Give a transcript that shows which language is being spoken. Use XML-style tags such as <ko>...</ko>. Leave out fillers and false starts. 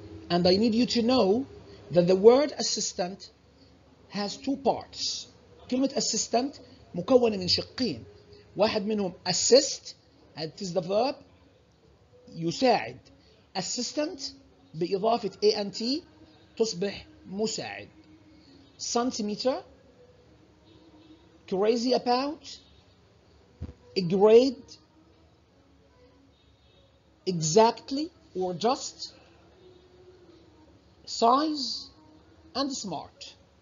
<en>And I need you to know that the word assistant has two parts.</en> <ar>كلمة assistant مكونة من شقين. واحد منهم</ar> <en>assist, and it is the verb يساعد.</en> <ar>Assistant بإضافة ant تصبح مساعد.</ar> <en>Centimeter, crazy about, a grade, exactly or just, size and smart.</en>